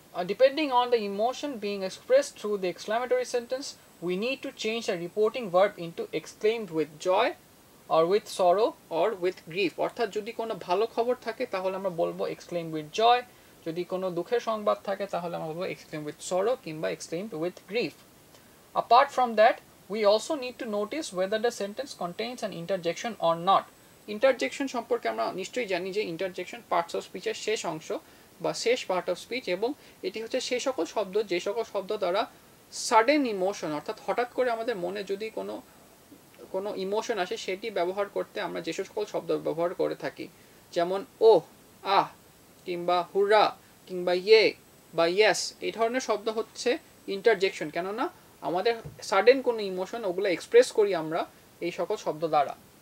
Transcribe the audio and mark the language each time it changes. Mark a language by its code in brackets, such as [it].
[en] Depending on the emotion being express through the exclamatory sentence, we need to change the reporting verb into exclaimed with joy or with sorrow or with grief. [bn] অর্থাৎ যদি কোনো ভালো খবর থাকে তাহলে আমরা বলবো [en] exclaim with joy, [bn] যদি কোনো দুঃখের সংবাদ থাকে তাহলে আমরা বলবো [en] exclaim with sorrow [bn] কিংবা [en] Exclaim with grief. Apart from that, we also need to notice whether the sentence contains an interjection or not. [bn] Interjection সম্পর্কে আমরা নিশ্চয়ই জানি যে interjection parts of speech এর শেষ অংশ বা শেষ part of speech, এবং এটি হচ্ছে সেই সকল শব্দ যে সকল শব্দ দ্বারা sudden emotion অর্থাৎ হঠাৎ করে আমাদের মনে যদি কোনো কোনো ইমোশন আসে সেটি ব্যবহার করতে আমরা যে সকল শব্দ ব্যবহার করে থাকি, যেমন ওহ আহ কিংবা হুরা কিংবা ইয়ে বা ইয়েস, এই ধরনের শব্দ হচ্ছে interjection, কেননা আমাদের সাডেন কোনো ইমোশন ওগুলো এক্সপ্রেস করি আমরা এই সকল শব্দ দ্বারা।